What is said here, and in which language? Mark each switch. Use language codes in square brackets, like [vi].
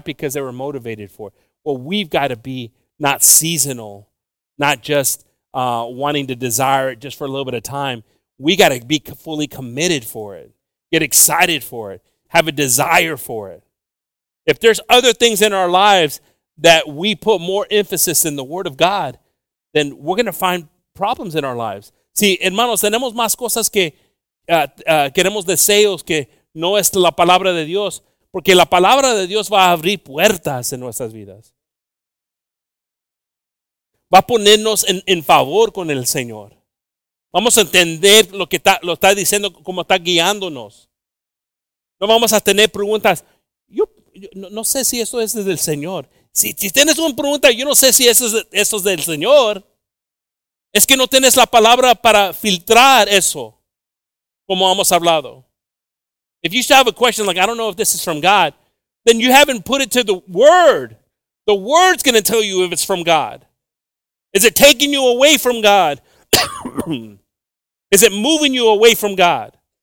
[en] Because they were motivated for it. Well, we've got to be not seasonal, not just wanting to desire it just for a little bit of time. We got to be fully committed for it, get excited for it, have a desire for it. If there's other things in our lives that we put more emphasis in the Word of God, then we're going to find problems in our lives. [es] Si, hermanos, tenemos más cosas que queremos deseos que no es la palabra de Dios, porque la palabra de Dios va a abrir puertas en nuestras vidas. Va a ponernos en favor con el Señor. Vamos a entender lo está diciendo, cómo está guiándonos. No vamos a tener preguntas. No sé si eso es del Señor. Si tienes una pregunta, yo no sé si eso es del Señor. Es que no tienes la palabra para filtrar eso, como hemos hablado. [en] If you still have a question, like, I don't know if this is from God, then you haven't put it to the Word. The Word's going to tell you if it's from God. Is it taking you away from God? Is it moving you away from God?